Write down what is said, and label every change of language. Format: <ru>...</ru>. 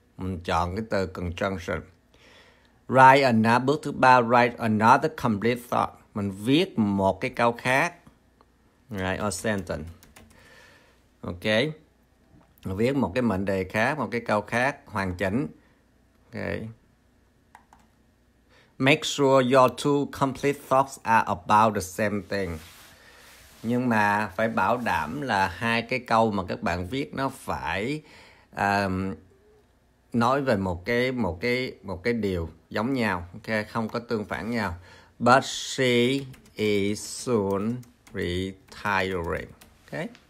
<vi>Mình chọn cái từ conjunction.</vi> <en>Write another.</en> <vi>Bước thứ ba.</vi> <en>Write another complete thought.</en> <vi>Mình viết một cái câu khác.</vi> <en>Right. Or sentence. Ok.</en> <vi>Viết một cái mệnh đề khác. Một cái câu khác. Hoàn chỉnh. Ok.</vi> <en>Make sure your two complete thoughts are about the same thing.</en> <vi>Nhưng mà phải bảo đảm là hai cái câu mà các bạn viết nó phải nói về một cái điều giống nhau, okay? Không có tương phản nhau.</vi> <en>But she is soon retiring.</en> <vi>Okay.</vi>